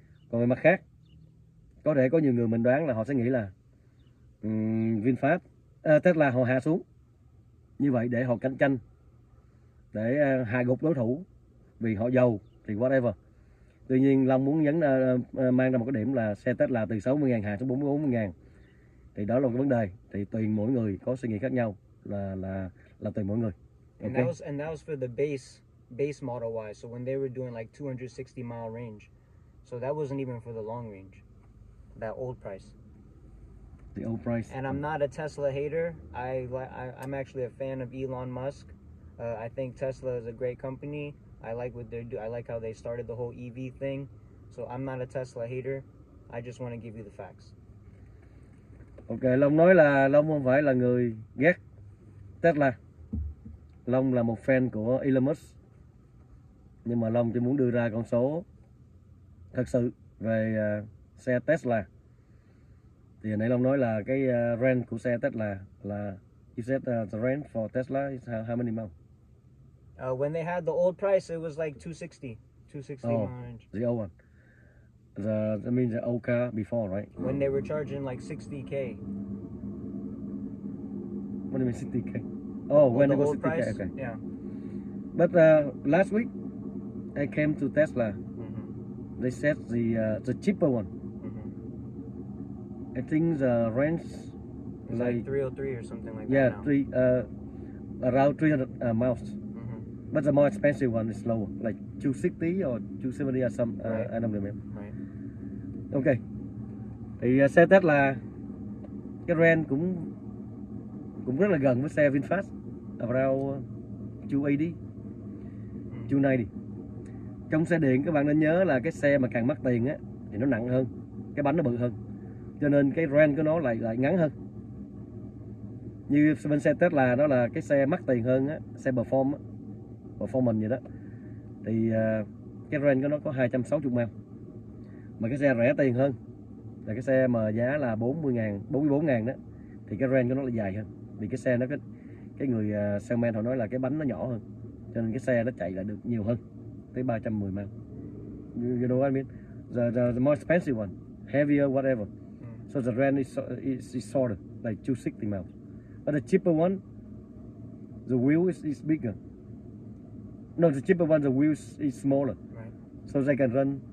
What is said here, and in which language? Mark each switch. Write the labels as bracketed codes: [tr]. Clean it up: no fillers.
[vi] Còn về mặt khác, có thể có nhiều người mình đoán là họ sẽ nghĩ là VinFast, Tesla họ hạ xuống như vậy để họ cạnh tranh, để hạ gục đối thủ vì họ giàu thì whatever. Tuy nhiên Long muốn nhấn mang ra một cái điểm là xe Tesla từ 60.000 hạ xuống 44.000, thì đó là một cái vấn đề. Thì tùy mỗi người có suy nghĩ khác nhau, là tùy mỗi người. [en] Okay. And that was for the base Model Y. So when they were doing like 260 mile range, so that wasn't even for the long range, that old price. The old price. And I'm not a Tesla hater. I'm actually a fan of Elon Musk. I think Tesla is a great company. I like what they do. I like how they started the whole EV thing. So I'm not a Tesla hater. I just want to give you the facts. [vi] Okay, Long nói là Long không phải là người ghét Tesla. Long là một fan của Elon Musk. Nhưng mà Long chỉ muốn đưa ra con số thật sự về xe Tesla. Thì nãy Long nói là cái range của xe Tesla là, [en] you said the range for Tesla is how many miles? When they had the old price, it was like 260 oh, range. The old one. I mean the old car before, right? When they were charging like 60K. What do you mean 60K? Oh, when it was 60K, price? Okay. Yeah. But last week, I came to Tesla. Mm-hmm. They said the cheaper one. I think the range is like 303 or something like yeah, that. Yeah, three around 300 miles. Mm-hmm. But the more expensive one is lower, like 260 or 270 or some. Right. I don't remember. Right. Okay. [vi] Thì xe Tesla cái range cũng rất là gần với xe VinFast, around 280, 290. Trong xe điện các bạn nên nhớ là cái xe mà càng mắc tiền á thì nó nặng hơn, cái bánh nó bự hơn, cho nên cái range của nó lại ngắn hơn. Như bên xe Tesla đó là cái xe mắc tiền hơn á, xe performance vậy đó, thì cái range của nó có 260 mile. Mà cái xe rẻ tiền hơn là cái xe mà giá là 44 ngàn đó, thì cái range của nó là dài hơn, vì cái xe nó cái người salesman họ nói là cái bánh nó nhỏ hơn, cho nên cái xe nó chạy lại được nhiều hơn, tới 310 mile. [en] You know what I mean, the more expensive one, heavier, whatever. So the rent is shorter, like 260 miles. But the cheaper one, the wheel is bigger. No, the cheaper one, the wheel is smaller. Right. so they can run